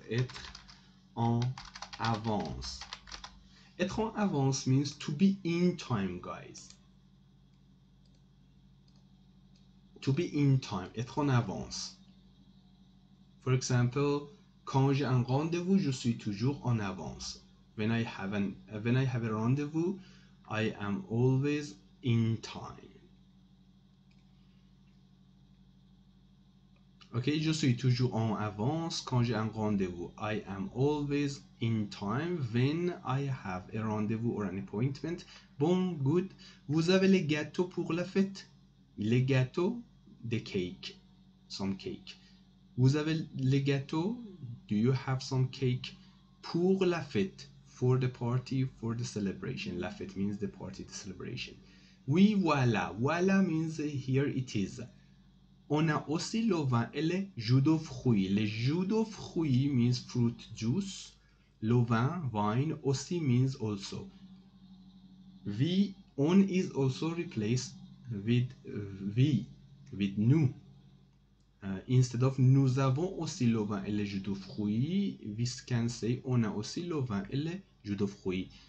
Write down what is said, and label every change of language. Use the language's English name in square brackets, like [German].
[French] Être en avance. [English] Être en avance means to be in time, guys. To be in time. Être en avance. For example, [French] quand j'ai un rendez-vous, je suis toujours en avance. [English] When I have a rendezvous, I am always in time. [French] Okay, je suis toujours en avance quand j'ai un rendez-vous. [English] I am always in time when I have a rendezvous or an appointment. [French] Bon, [English] good. [French] Vous avez les gâteaux pour la fête? Les gâteaux, [English] the cake, some cake. [French] Vous avez les gâteaux? [English] Do you have some cake [French] pour la fête? [English] For the party, for the celebration. [French] La fête [English] means the party, the celebration. [French] Oui, voilà. Voilà [English] means here it is. [French] On a aussi le vin et les jus de fruits. Les jus de fruits [English] means fruit juice. Louvain, wine, aussi means also. We, on is also replaced with we, with [French] nous. [English] Instead of [French] nous avons aussi le vin et le jus de fruits, [English] we can say [French] on a aussi le vin et le jus de fruits.